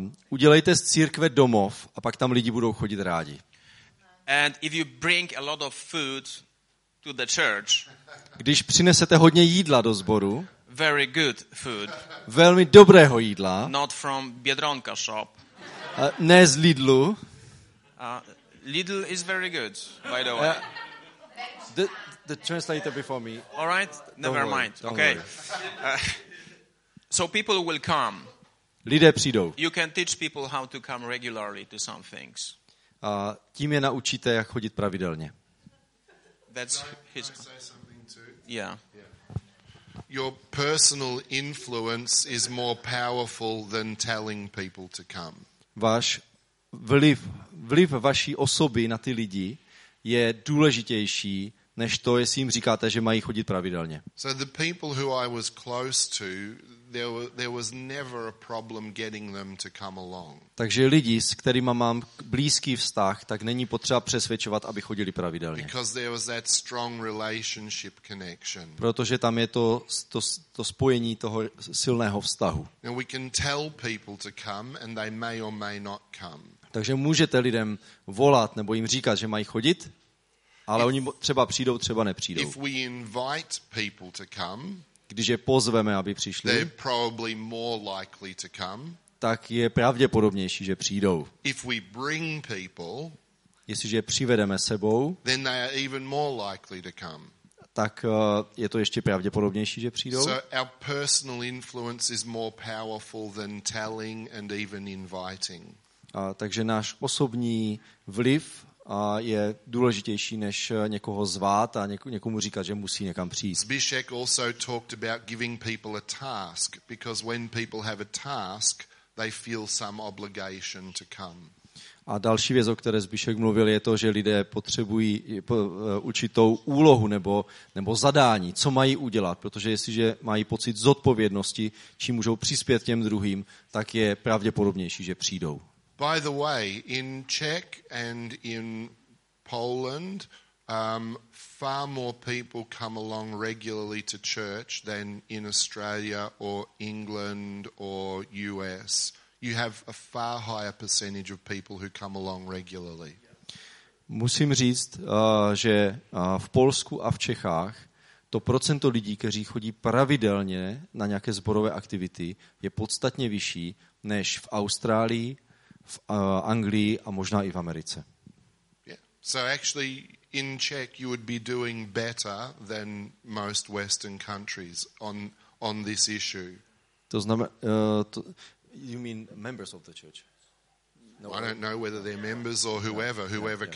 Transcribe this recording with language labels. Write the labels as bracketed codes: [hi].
[cs] Udělejte z církve domov a pak tam lidi budou chodit rádi. [en] And if you bring a lot of food to the church. [cs] Když přinesete hodně jídla do sboru. [en] Very good food. [cs] Velmi dobrého jídla. [en] Not from Biedronka shop. [cs] Ne z Lidlu. [en] Lidl is very good, by the way. The translator before me. All right, never mind. Don't okay. Worry. So people will come. [cs] Lidé přijdou. [en] You can teach people how to come regularly to some things. [cs] Tím je naučíte, jak chodit pravidelně. [en] That's his. Yeah. Your personal influence is more powerful than telling people to come. [cs] Váš vliv vaší osoby na ty lidi je důležitější než to, jestli jim říkáte, že mají chodit pravidelně. [en] So the people who I was close to, there was never a problem getting them to come along. [cs] Takže lidi, s kterými mám blízký vztah, tak není potřeba přesvědčovat, aby chodili pravidelně. [en] Because there was that strong relationship connection. [cs] Protože tam je to spojení toho silného vztahu. [en] Now we can tell people to come and they may or may not come. [cs] Takže můžete lidem volat nebo jim říkat, že mají chodit, ale oni třeba přijdou, třeba nepřijdou. [en] If we invite people to come, [cs] když je pozveme, aby přišli, [en] they're probably more likely to come. [cs] Tak je pravděpodobnější, že přijdou. [en] If we bring people, [cs] jestliže je přivedeme sebou, [en] then they are even more likely to come. [cs] Tak je to ještě pravděpodobnější, že přijdou. [en] So our personal influence is more powerful than telling and even inviting. [cs] Takže náš osobní vliv je důležitější, než někoho zvát a někomu říkat, že musí někam přijít. [en] Zbyšek also talked about giving people a task, because when people have a task, they feel some obligation to come. [cs] A další věc, o které Zbyšek mluvil, je to, že lidé potřebují určitou úlohu nebo zadání, co mají udělat, protože jestliže mají pocit zodpovědnosti, čím můžou přispět těm druhým, tak je pravděpodobnější, že přijdou. [en] By the way, in Czech and in Poland, far more people come along regularly to church than in Australia or England or US. You have a far higher percentage of people who come along regularly. [cs] Musím říct, že v Polsku a v Čechách to procento lidí, kteří chodí pravidelně na nějaké sborové aktivity, je podstatně vyšší než v Austrálii, v Anglii a možná i v Americe. [en] Yeah. So actually in Czech you would be doing better than most Western countries on this issue. [cs] To znamená, [en] you mean members of the church? No, I don't know whether they're members or whoever yeah.